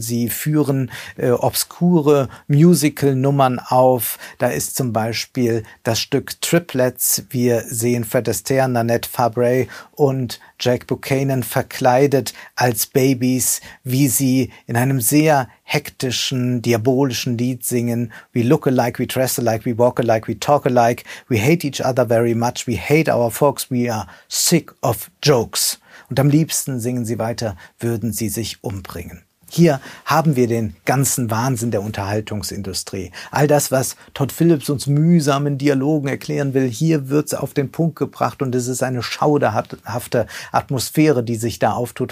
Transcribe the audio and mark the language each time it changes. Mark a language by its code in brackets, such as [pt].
[de] Sie führen obskure Musical-Nummern auf. Da ist zum Beispiel das Stück Triplets. Wir sehen Fred Astaire, Nanette Fabre und Jack Buchanan verkleidet als Babys, wie sie in einem sehr hektischen, diabolischen Lied singen. [en] We look alike, we dress alike, we walk alike, we talk alike. We hate each other very much, we hate our folks, we are sick of jokes. [de] Und am liebsten, singen sie weiter, würden sie sich umbringen. Hier haben wir den ganzen Wahnsinn der Unterhaltungsindustrie. All das, was Todd Phillips uns mühsam in Dialogen erklären will, hier wird's auf den Punkt gebracht und es ist eine schauderhafte Atmosphäre, die sich da auftut.